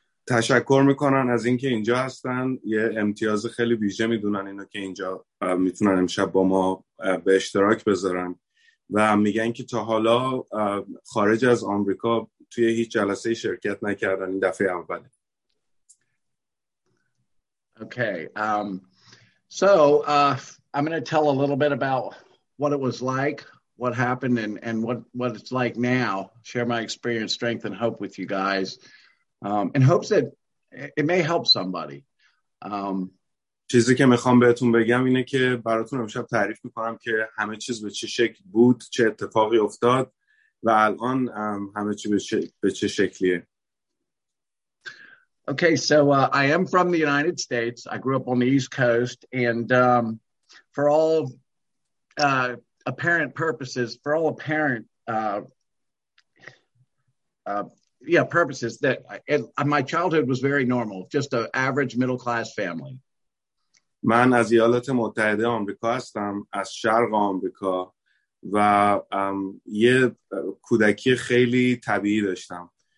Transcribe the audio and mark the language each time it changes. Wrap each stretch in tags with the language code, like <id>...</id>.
<fa>تشکر میکنن از اینکه اینجا هستن. یه امتیاز خیلی ویژه میدونن اینو که اینجا میتونن امشب با ما به اشتراک بذارن و میگن که تا حالا خارج از آمریکا توی هیچ جلسه شرکت نکردن، این دفعه اوله.</fa> <en>Okay. I'm going to tell a little bit about what it was like, what happened and what it's like now. Share my experience, strength and hope with you guys. In hopes that it may help somebody.</en> <fa>چیزی که میخوام بهتون بگم اینه که براتون امشب تعریف میکنم که همه چیز به چه شکل بود، چه اتفاقی افتاد و الان همه چی به چه شکلیه.</fa> <en>Okay, so I am from the United States. I grew up on the East Coast and for all apparent purposes, for all apparent purposes that my childhood was very normal, just an average middle class family.</en> <fa>من از ایالات متحده آمریکا هستم، از شرق آمریکا و یه کودکی خیلی طبیعی داشتم.</fa>